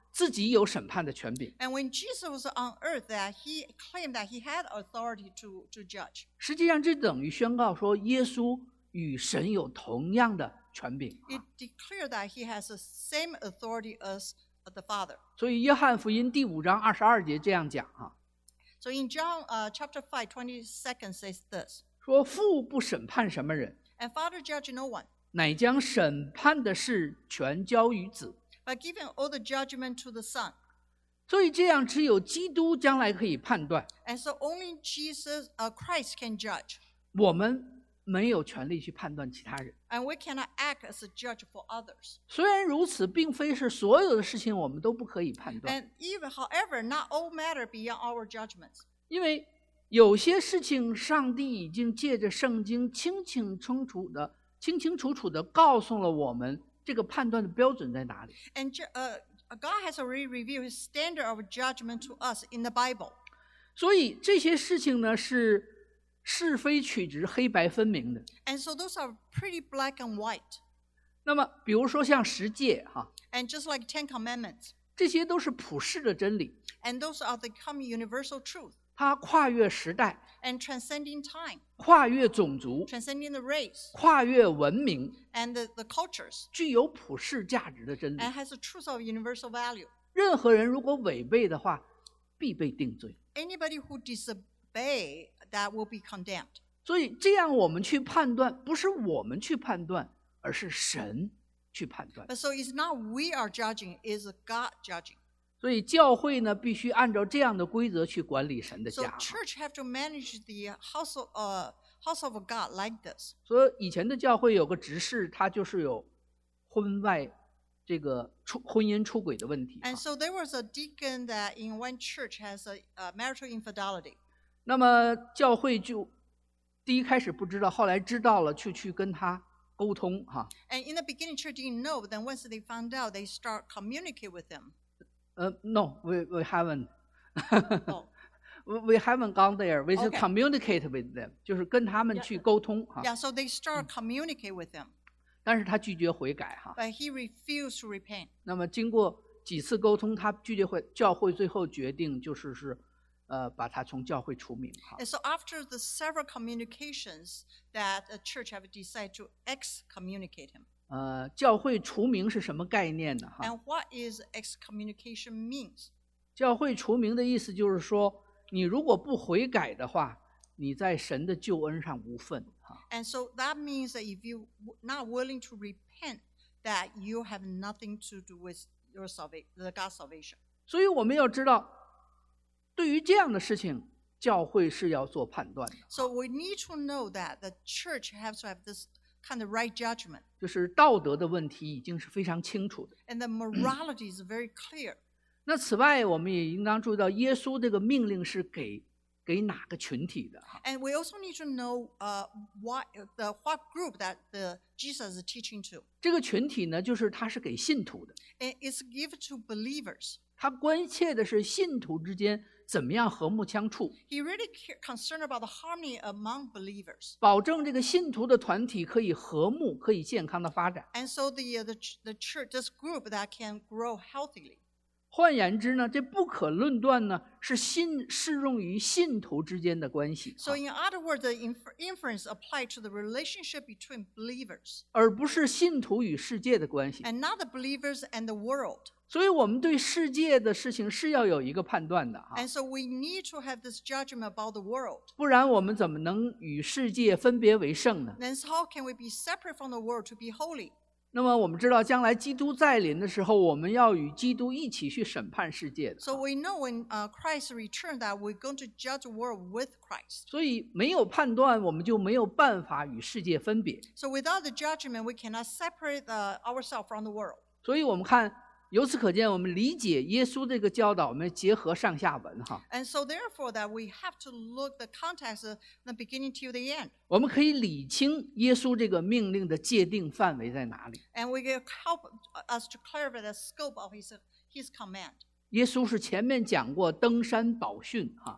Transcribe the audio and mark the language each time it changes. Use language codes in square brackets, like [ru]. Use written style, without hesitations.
[zh] 自己有审判的权柄。 [en] And when Jesus was on earth, that he claimed that he had authority to judge. [zh] 实际上，这等于宣告说，耶稣与神有同样的权柄。 [en] It declared that he has the same authority as the Father. [zh] 所以，约翰福音第五章二十二节这样讲啊。 [en] So in John, chapter 5, 22 says this. [zh] 说父不审判什么人。 [en] And Father judge no one. [zh] 乃将审判的事全交于子。 [en] By giving all the judgment to the Son. [zh] 所以这样只有基督将来可以判断。 [en] And so only Jesus, Christ can judge. [zh] 我们没有权利去判断其他人。 [en] And we cannot act as a judge for others. [zh] 虽然如此，并非是所有的事情我们都不可以判断。 [en] And even, however, not all matter beyond our judgments. [zh] 因为有些事情上帝已经借着圣经清清楚楚地告诉了我们这个判断的标准在哪里。 [en] And God has already revealed his standard of judgment to us in the Bible. [zh] 所以这些事情呢是是非曲直黑白分明的。 [en] And so those are pretty black and white. [zh] 那么比如说像十诫啊。 [en] And just like Ten Commandments. [zh] 这些都是普世的真理。 [en] And those are the common universal truth. [zh] 它跨越时代。 [en] And transcending time. [zh] 跨越种族。 [en] Transcending the race. [zh] 跨越文明。 [en] And the cultures. [zh] 具有普世价值的真理。 [en] And has a truth of universal value. [zh] 任何人如果违背的话必被定罪。 [en] Anybody who disobey,That will be condemned. [zh] 所以这样我们去判断，不是我们去判断，而是神去判断。 [en] But so it's not we are judging, it's God judging. [zh] 所以教会呢，必须按照这样的规则去管理神的家。 [en] So church have to manage the house of God like this. [zh] 所以以前的教会有个执事，他就是有婚外这个婚姻出轨的问题。 [en] And so there was a deacon that in one church has a marital infidelity. [zh] 那么教会就第一开始不知道，后来知道了，去跟他沟通哈。 [en] And in the beginning, church didn't know, but then once they found out, they start communicate with him. No, we haven't. we haven't gone there. We just communicate with them, [zh] 就是跟他们去沟通哈。 [en] Yeah, so they start communicate with him. [zh] 但是他拒绝悔改哈。 [en] But he refused to repent. [zh] 那么经过几次沟通，他拒绝悔，教会最后决定就是是。把他从教会除名。 [en] And so after the several communications that the church have decided to excommunicate him. [zh] 教会除名是什么概念呢 [en] ？And what is excommunication means? [zh] 教会除名的意思就是说，你如果不悔改的话，你在神的救恩上无份。 [en] And so that means that if you not willing to repent, that you have nothing to do with your salvation, the God's salvation. [zh] 所以我们要知道。对于这样的事情，教会是要做判断的。 [en] So we need to know that the church has to have this kind of right judgment. [zh] 就是道德的问题已经是非常清楚的。 [en] And the morality is very clear. [zh] 那此外，我们也应当注意到，耶稣这个命令是给哪个群体的 [en] ？And we also need to know, what group that the Jesus is teaching to. [zh] 这个群体呢，就是他是给信徒的。 [en] And it's given to believers. [zh] 他关切的是信徒之间怎么样和睦相处。 [en] He really concerned about the harmony among believers. [zh] 保证这个信徒的团体可以和睦，可以健康的发展。 [en] And so the church, this group that can grow healthily. [zh] 换言之呢，这不可论断呢，是适用于信徒之间的关系。 [en] So in other words, the inference applied to the relationship between believers. [zh] 而不是信徒与世界的关系。 [en] And not the believers and the world. [zh] 所以我们对世界的事情是要有一个判断的、 [en] And so we need to have this judgment about the world. [zh] 不然我们怎么能与世界分别为圣呢 [en] Then how can we be separate from the world to be holy? [zh] 那么我们知道将来基督再临的时候我们要与基督一起去审判世界的 [en] So we know when Christ returns that we're going to judge the world with Christ. [zh] 所以没有判断我们就没有办法与世界分别 [en] So without the judgment, we cannot separate ourselves from the world. [zh] 所以我们看由此可见，我们理解耶稣这个教导，我们结合上下文哈。 [en] And so therefore that we have to look the context from the beginning to the end. [zh] 我们可以理清耶稣这个命令的界定范围在哪里。 [en] And we can help us to clarify the scope of his command. [zh] 耶稣是前面讲过登山宝训哈。